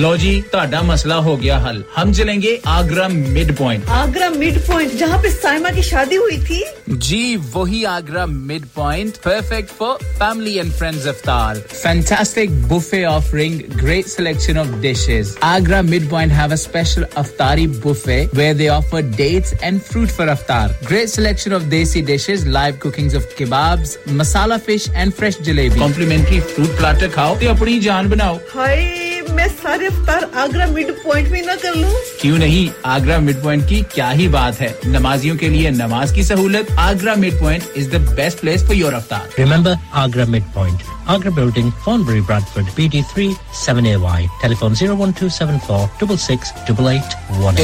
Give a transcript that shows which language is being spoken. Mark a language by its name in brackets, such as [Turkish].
[Hindi] लो जी ताड़ा मसला हो गया हल हम चलेंगे आगरा मिड पॉइंट जहां पे साइमा की शादी हुई थी जी वही [English] Agra Midpoint perfect for family and friends iftar Fantastic buffet offering, great selection of dishes. Agra Midpoint have a special iftari buffet where they offer dates and fruit for iftar. Great selection of desi dishes, live cookings of kebabs, masala fish and fresh jalebi. Complimentary fruit platter [Punjabi] khao, te apni jaan banao. [English] Hi. [Hindi] मैं सारे इफ्तार Agra midpoint में ना कर लूं क्यों नहीं Agra midpoint की क्या ही बात है नमाजियों के लिए नमाज की सहूलत [English] Agra Midpoint is the best place for your iftar remember Agra Midpoint Agra building Fonbury Bradford BD3 7AY telephone 01274668818